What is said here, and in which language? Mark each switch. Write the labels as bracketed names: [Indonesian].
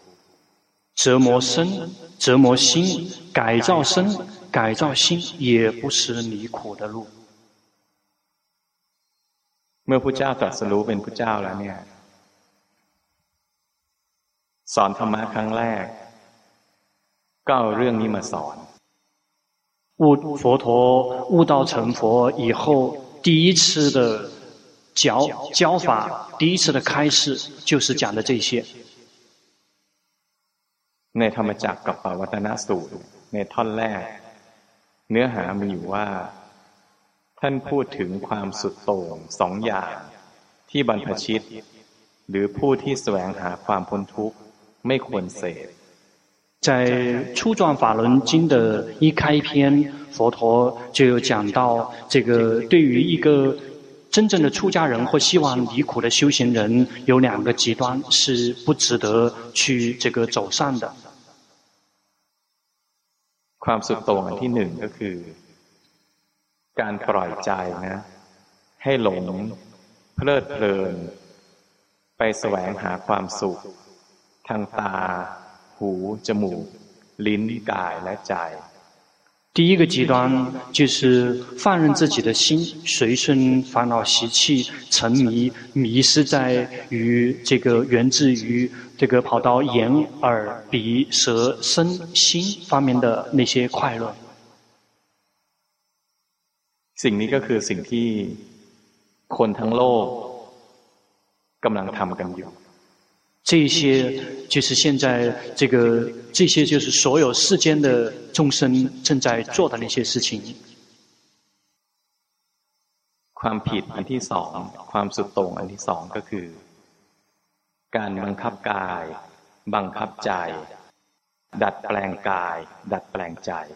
[Chinese] 折磨身折磨心改造身改造心也不是离苦的路 [Thai] เมื่อพุทธเจ้าตรัสรู้เป็นพุทธเจ้าแล้วเนี่ยสอนธรรมะครั้งแรกก็เอาเรื่องนี้มาสอน [Chinese] 悟佛陀悟道成佛以后第一次的 教法第一次的开示就是讲的这些 [Thai] ในธรรมจักรกับปวัตตนสูตรในท่อนแรกเนื้อหามีอยู่ว่าท่านพูดถึงความสุดโต่งสองอย่างที่บรรพชิตหรือผู้ที่แสวงหาความพ้นทุกข์ไม่ควรเสพ [Chinese] 在《初转法轮经》的一开篇，佛陀就有讲到，这个对于一个真正的出家人或希望离苦的修行人，有两个极端是不值得去这个走上的。 [Thai] ความสุดโต่งที่หนึ่งก็คือการปล่อยใจนะให้หลงเพลิดเพลินไปแสวงหาความสุขทางตาหูจมูกลิ้นกายและใจ [Chinese] 第一个极端就是放任自己的心随顺烦恼习气沉迷迷失在于这个源自于这个跑到眼耳鼻舌身心方面的那些快乐 [Thai] สิ่งนี้ก็คือสิ่งที่คนทั้งโลกกำลังทำกันอยู่ [Chinese] 这些就是现在这个这些就是所有世间的众生正在做的那些事情 [Thai] ความผิดอันที่สองความสุดโต่งอันที่สองก็คือการบังคับกายบังคับใจดัดแปลงกายดัดแปลงใจ